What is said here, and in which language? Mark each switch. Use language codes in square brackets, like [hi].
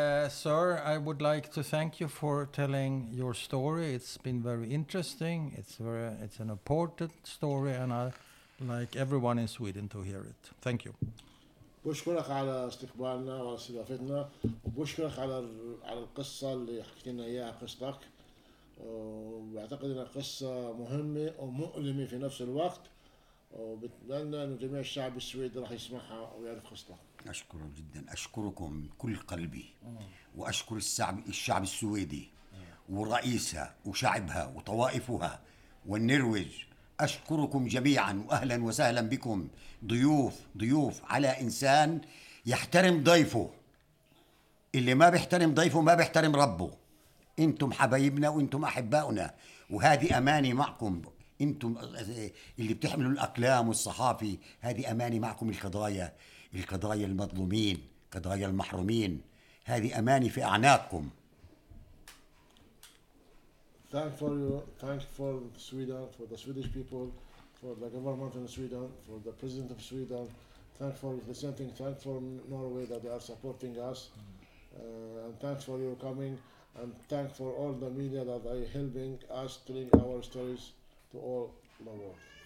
[en] Sir, I would like to thank you for telling your story. It's been very interesting. It's an important story, and I like everyone in Sweden to hear it. Thank you. [ar] بشكرك على استقبالنا وعلى استضافتنا وبشكرك على القصة اللي حكينا إياها قصتك. وأعتقد أنها قصة مهمة ومؤلمة في نفس الوقت، وبتمنى أن جميع الشعب السويدي راح يسمعها ويعرف قصتها. أشكركم جدا، أشكركم من كل قلبي، وأشكر الشعب السويدي ورئيسها وشعبها وطوائفها والنرويج. أشكركم جميعا، وأهلا وسهلا بكم ضيوف على إنسان يحترم ضيفه. اللي ما بيحترم ضيفه ما بيحترم ربه. انتم حبايبنا وانتم احباؤنا، وهذه اماني معكم. انتم اللي بتحملوا الاقلام والصحافي، هذه اماني معكم. القضايا المظلومين، قضايا المحرومين، هذه اماني في اعناقكم. [en] Thank for Sweden, for the Swedish people, for the government in Sweden, for the president of Sweden. Thank for the same thing. Thank for Norway that they are supporting us. And thanks for your coming. And thank for all the media that are helping us telling our stories to all the world.